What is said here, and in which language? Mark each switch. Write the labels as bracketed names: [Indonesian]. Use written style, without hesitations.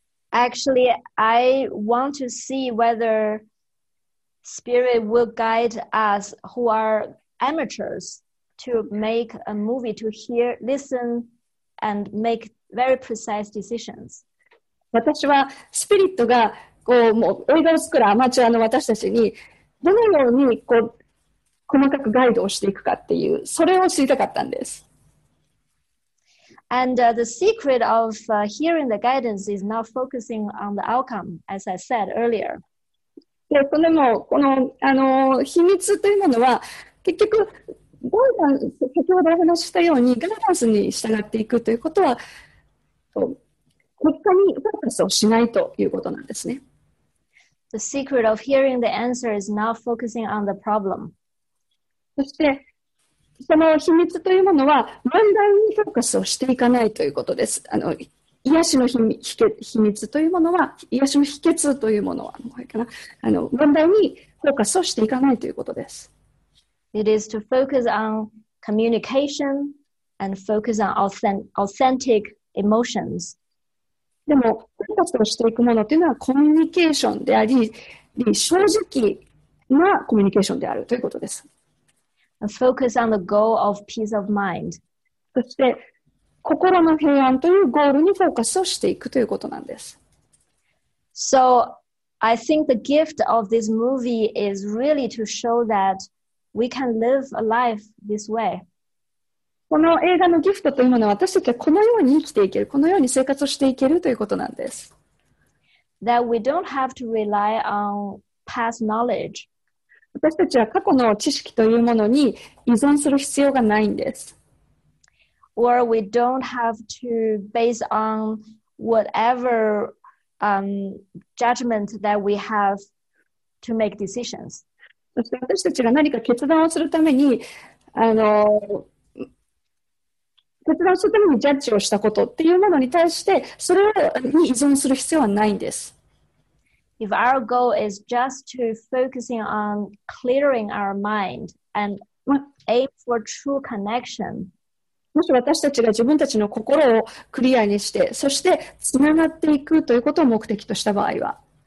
[English] Actually, I want to see whether spirit will guide us who are amateurs to make a movie, to hear, listen, and make very precise decisions. [Japanese] 私はスピリットがこうもう映画を作るアマチュアの私たちにどのようにこう細かくガイドをしていくかっていう、それを知りたかったんです。 [English] And、the secret of、hearing the guidance is not focusing on the outcome, as I said earlier. [Japanese] で、これもこの、秘密というものは、結局、ガイダンス、先ほどお話ししたように、ガイダンスに従っていくということは、結果にフォーカスをしないということなんですね。 [English] The secret of hearing the answer is not focusing on the problem. [Japanese] そして、その秘密というものは、問題にフォーカスをしていかないということです。癒しの秘密というものは、癒しの秘訣というものは、これかな、問題にフォーカスをしていかないということです。 [English] It is to focus on communication and focus on authentic emotions. [Japanese] でも、フォーカスをしていくものというのは、コミュニケーションであり、正直なコミュニケーションであるということです。 [English] And focus on the goal of peace of mind. [Japanese] そして心の平安というゴールにフォーカスをしていくということなんです。 [English] So, I think the gift of this movie is really to show that we can live a life this way. [Japanese] この映画のギフトというものは私たちはこのように生きていける、このように生活をしていけるということなんです。 [English] That we don't have to rely on past knowledge. [Japanese] 私たちは過去の知識というものに依存する必要がないんです。 [English] Or we don't have to base on whatever、judgment that we have to make decisions. [Japanese] 私たちが何か決断をするために、決断をするためにジャッジをしたことっていうものに対して、それに依存する必要はないんです。 [English] If our goal is just to focusing on clearing our mind and aim for true connection, [Japanese] もし私たちが自分たちの心をクリアにして、そしてつながっていくということを目的とした場合は、